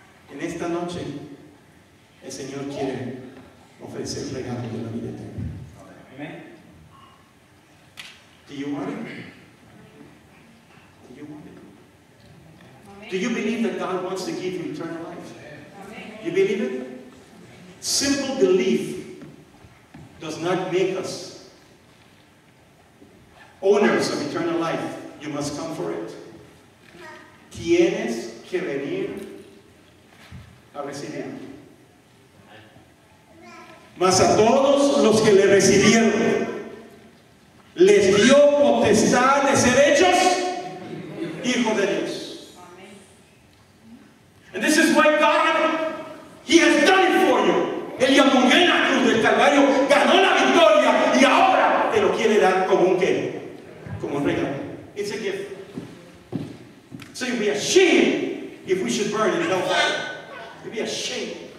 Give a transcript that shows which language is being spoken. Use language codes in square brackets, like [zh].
[es] En esta noche, el Señor quiere ofrecer regalo de la vida eterna. [en] Do you want it? Do you want it? Do you believe that God wants to give you eternal life? You believe it? Simple belief does not make us owners of eternal life. You must come for it. [es] Tienes que venir a recibir. Mas a todos los que le recibieron, les dio potestad de ser hechos hijos de Dios. [en] And this is why God, He has done it for you. [es] Él ya murió en la cruz del Calvario, ganó la victoria y ahora te lo quiere dar como un qué, como un regalo. [en] It's a gift. So you'd be ashamed if we should burn it in hell. You'd be ashamed.